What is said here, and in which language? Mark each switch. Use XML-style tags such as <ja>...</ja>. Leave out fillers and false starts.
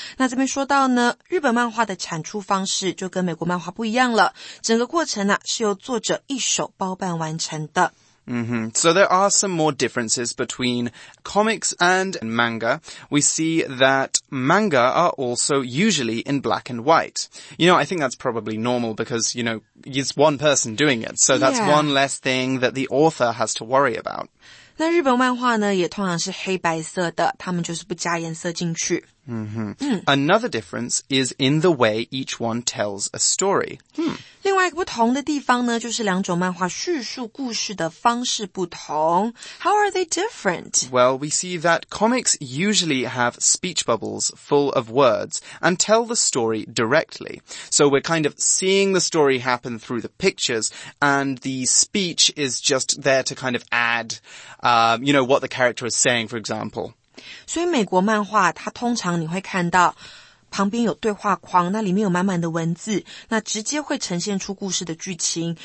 <zh>那这边说到呢，日本漫画的产出方式就跟美国漫画不一样了，整个过程呢、啊、是由作者一手包办完成的。</zh> <en>Mm-hmm. So there are some more differences between comics and manga. We see that manga are also usually in black and white. You know, I think that's probably normal because, you know, it's one person doing it. So that's Yeah. one less thing that the author has to worry about.</en> <zh>那日本漫画呢也通常是黑白色的，他们就是不加颜色进去。</zh> <en>Another difference is in the way each one tells a story.</en> <zh>另外一个不同的地方呢，就是两种漫画叙述故事的方式不同。</zh> <en>How are they different? Well, we see that comics usually have speech bubbles full of words and tell the story directly. So we're kind of seeing the story happen through the pictures, and the speech is just there to kind of add, you know, what the character is saying, for example.</en> <zh>所以美国漫画它通常你会看到旁边有对话框，那里面有满满的文字，那直接会呈现出故事的剧情。</zh>